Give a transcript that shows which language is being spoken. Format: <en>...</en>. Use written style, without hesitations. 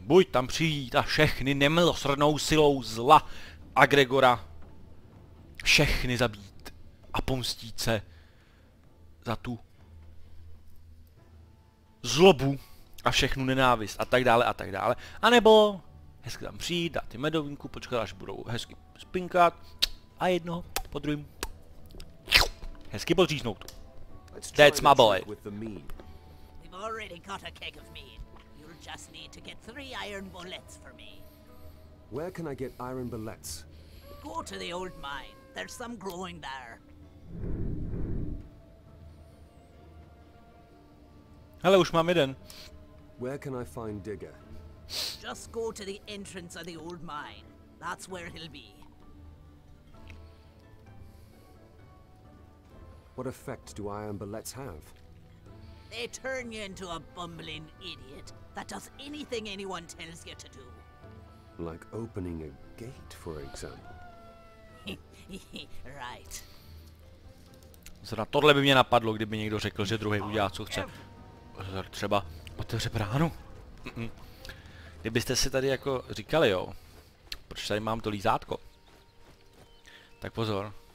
<cs>Buď tam přijít a všechny nemilosrdnou silou zla a Gregora všechny zabít a pomstít se za tu zlobu a všechnu nenávist a tak dále a tak dále. A nebo hezky tam přijít, dát ty medovinku, počkat, až budou hezky spinkat a jedno po druhém hezky podříznout.</cs> <en>That's my boy. Already got a keg of mead. You'll just need to get 3 iron bullets for me. Where can I get iron bullets? Go to the old mine. There's some growing there.</en> <cs>Hele, už mám jeden.</cs> <en>Where can I find Digger? Just go to the entrance of the old mine. That's where he'll be. What effect do iron bullets have? They turn you into a bumbling idiot that does anything anyone tells you to do. Like opening a gate, for example. Right.</en> <cs>Zrovna tohle by mě napadlo, kdyby někdo řekl, že druhý udělá, co chce. Třeba otevře bránu. Kdybyste si tady jako říkali, jo, proč tady mám to lízátko? Tak pozor.</cs>